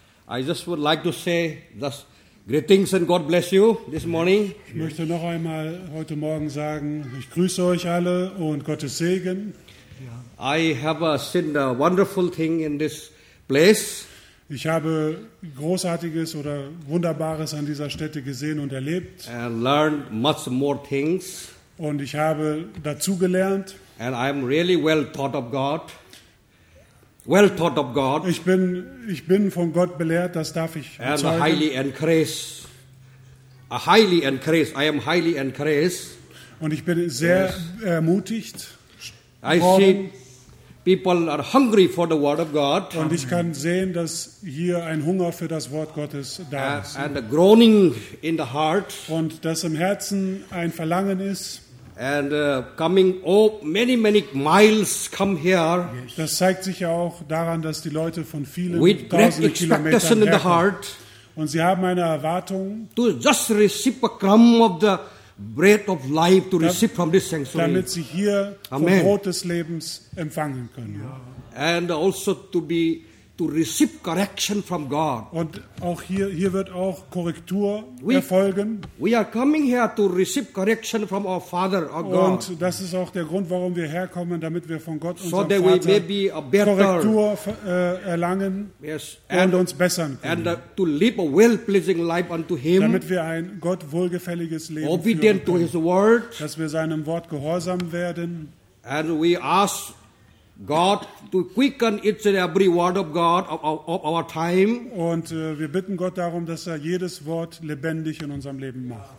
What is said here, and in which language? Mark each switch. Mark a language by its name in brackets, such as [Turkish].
[English] I just would like to say this greetings and God bless you this morning. [German] Ich möchte noch einmal heute Morgen sagen, ich grüße euch alle und Gottes Segen. [English] I have seen a wonderful thing in this place. [German] Ich habe Großartiges oder Wunderbares an dieser Stätte gesehen und erlebt. [English] And learned much more things. [German] Und ich habe dazu gelernt. [English] And I am really well thought of God. well taught of God. [German] Ich bin von Gott belehrt, das darf ich sagen. [English] And I am highly encouraged. [German] Und ich bin sehr ermutigt. [English] I see people are hungry for the word of God. [German] Und ich kann sehen, dass hier ein Hunger für das Wort Gottes da ist. [English] And a groaning in the heart. [German] Und dass im Herzen ein Verlangen ist. [English] And coming, oh, many, many miles come here. [German] Das zeigt sich ja auch daran, dass die Leute von vielen tausend Kilometern herkommen. Und sie haben eine Erwartung, [English] to just receive a crumb of the bread of life, to receive from this sanctuary. [German] Damit sie hier Amen. Vom Brot des Lebens empfangen können. [English] And also to receive correction from God. [German] Und auch hier wird auch Korrektur erfolgen. [English] We are coming here to receive correction from our Father, our God. [German] Und das ist auch der Grund, warum wir herkommen, damit wir von Gott, unserem Vater, Korrektur erlangen und uns bessern können. [English] And to live a well-pleasing life unto Him. [German] Damit wir ein Gott wohlgefälliges Leben führen können. [English] Obedient to His Word. [German] Dass wir seinem Wort gehorsam werden. [English] And we ask God to quicken each and every word of God of our time. [German] Und wir bitten Gott darum, dass er jedes Wort lebendig in unserem Leben macht.